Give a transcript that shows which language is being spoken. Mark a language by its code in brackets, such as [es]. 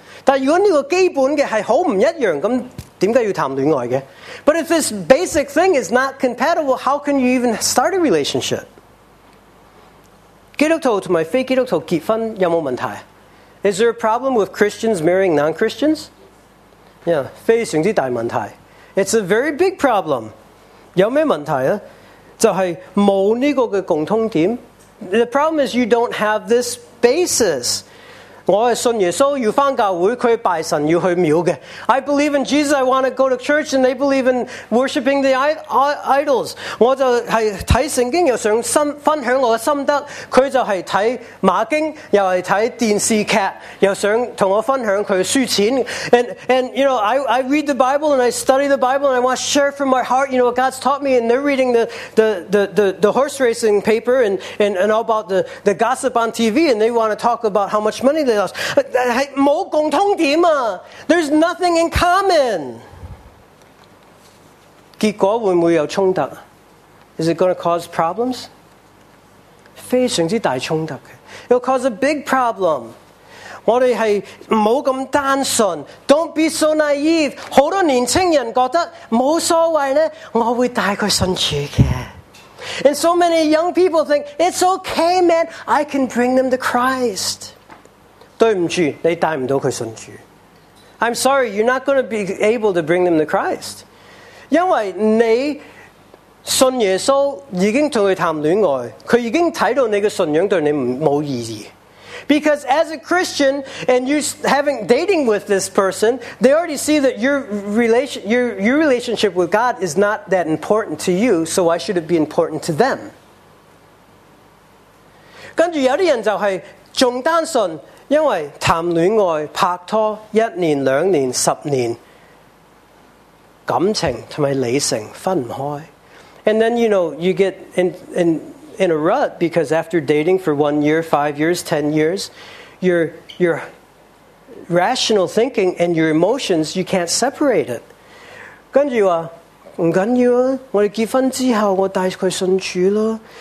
[zh] 但如果呢个基本嘅系好唔一样，咁点解要谈恋爱嘅？ [en] But if this basic thing is not compatible, how can you even start a relationship? [zh] 基督徒同埋非基督徒结婚有冇问题？ [en] Is there a problem with Christians marrying non-Christians? [zh] Yeah, 非常之大问题。 [en] It's a very big problem. [zh] 有咩问题啊？就系冇呢个嘅共通点。 [en] The problem is you don't have this basis. [zh] 我系信耶稣，要翻教会，佢拜神，要去庙嘅。 [en] I believe in Jesus. I want to go to church, and they believe in worshiping the idols. [zh] 我就系睇圣经，又想分享我嘅心得。佢就系睇马经，又系睇电视剧，又想同我分享佢书钱。 [en] And you know, I read the Bible and I study the Bible and I want to share from my heart. You know what God's taught me. And they're reading the horse racing paper and all about the gossip on TV. And they want to talk about how much money they lost. [zh] 系冇共通点啊 [en] ！There's nothing in common. [zh] 结果会唔会有冲突？ [en] Is it going to cause problems? [zh] 非常之大冲突嘅 [en] ，It'll cause a big problem. [zh] 我哋系冇咁单纯 [en] ，Don't be so naive. [zh] 好多年轻人觉得冇所谓咧，我会带佢信主嘅。 [en] And so many young people think it's okay, man. I can bring them to Christ. [zh] 对不住，你带不到他信主。 [en] I'm sorry, you're not going to be able to bring them to Christ. [zh] 因为你信耶稣已经跟他谈恋爱，他已经看到你的信仰对你没意义。 [en] Because as a Christian, and you're having dating with this person, they already see that your relationship with God is not that important to you, so why should it be important to them? [zh] 跟着有的人就是更单纯，因为谈恋爱拍拖一年两年十年，感情同埋理性分唔开。 [en] And then you know you get in a rut because after dating for 1 year, 5 years, 10 years, your rational thinking and your emotions you can't separate it. [zh] 跟住话唔紧要啊，我哋结婚之后我带佢信主咯。